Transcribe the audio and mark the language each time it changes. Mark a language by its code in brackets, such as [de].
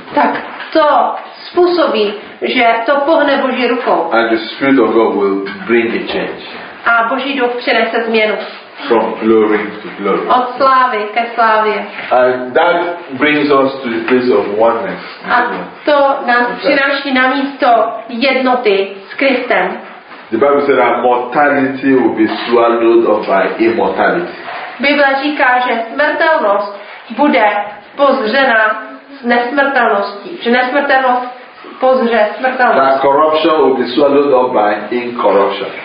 [cs] Tak to způsobí, že to pohne Boží rukou. [en] And the Spirit of God will bring a change. [cs] A Boží duch přinese změnu. [en] From glory to glory. [cs] Od slávy ke slávě. [en] And that brings us to the place of oneness. [cs] A to nás přináší na místo jednoty s Kristem. [en] The Bible says that mortality will be swallowed up by immortality. [cs] Bible říká, že smrtelnost bude pozřena s nesmrtelností. Že nesmrtelnost pozře smrtelnost. [en] That corruption will be swallowed up by incorruption.